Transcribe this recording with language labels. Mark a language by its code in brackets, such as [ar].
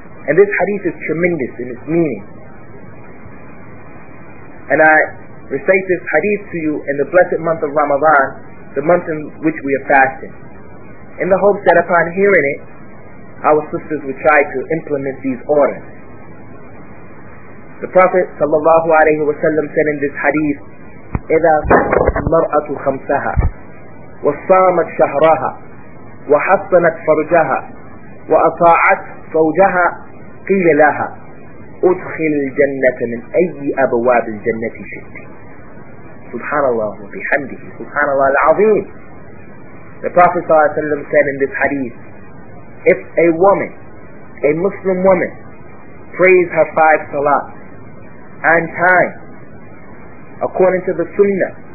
[en] And this hadith is tremendous in its meaning. And I recite this hadith to you in the blessed month of Ramadan, the month in which we are fasting, in the hopes that upon hearing it, our sisters would try to implement these orders. The Prophet sallallahu alayhi wa sallam said in this hadith, [ar] إِذَا صَلَّتِ الْمَرْأَةُ خَمْسَهَا وَصَامَتْ شَهْرَهَا وَحَصَّنَتْ فَرْجَهَا وَأَطَاعَتْ زَوْجَهَا قِيلَ لَهَا أُدْخِلِ الْجَنَّةَ مِنْ أَيِّ أَبْوَابِ الْجَنَّةِ شِئْتِ. Subhanallah wa bihamdihi, Subhanallah al-Azim. [en] The Prophet sallallahu alayhi wa sallam said in this hadith, if a woman, a Muslim woman, prays her five salats and time according to the sunnah,